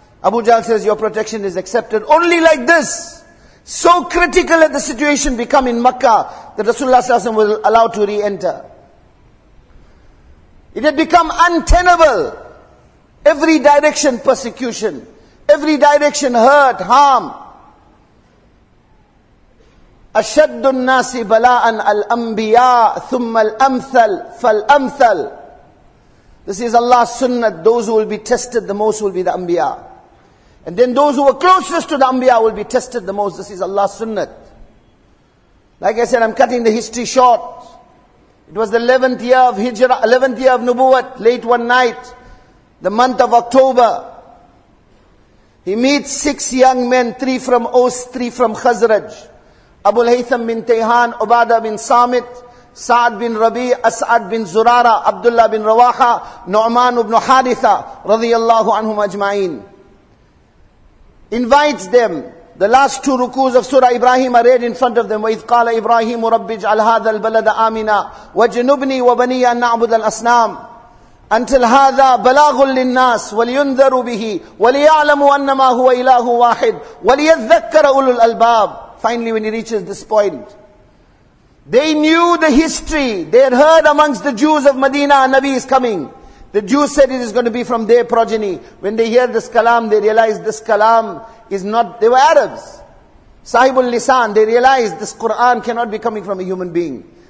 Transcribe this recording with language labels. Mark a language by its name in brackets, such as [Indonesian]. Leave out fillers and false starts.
[English] Abu Jahl says, your protection is accepted. Only like this. So critical had the situation become in Makkah that Rasulullah SAW was allowed to re-enter. It had become untenable. Every direction persecution. Every direction hurt, harm. [Arabic] أَشَدُّ النَّاسِ بَلَاءً الْأَنْبِيَاءِ ثُمَّ الْأَمْثَلِ فَالْأَمْثَلِ. [English] This is Allah's sunnah. Those who will be tested the most will be the Anbiya. And then those who were closest to the Anbiya will be tested the most. This is Allah's sunnah. Like I said, I'm cutting the history short. It was the 11th year of Hijrah, 11th year of Nubuwwat, late one night, the month of October. He meets six young men, three from Aus, three from Khazraj. Abu al-Haytham bin Tayhan, Ubadah bin Samit, Sa'ad bin Rabi, As'ad bin Zurara, Abdullah bin Rawaha, Nu'man ibn Haritha, radiyallahu anhum ajma'in. Invites them. The last two rukus of Surah Ibrahim are read in front of them. [Arabic] وَإِذْ قَالَ إِبْرَاهِيمُ رَبِّ اجْعَلْ هَذَا الْبَلَدَ آمِنًا وَجْنُبْنِي وَبَنِيَ أَنْ نَعْبُدَ الْأَصْنَامَ [English] until [Arabic] هذا بلاغ للناس ولينذروا به وليعلموا أنما هو إله واحد وليذكر أولو الألباب. [English] Finally, when he reaches this point, they knew the history. They had heard amongst the Jews of Medina, a Nabi is coming. The Jews said it is going to be from their progeny. When they hear this kalam, they realize this kalam is not, they were Arabs. Sahibul Lisan, they realized this Quran cannot be coming from a human being.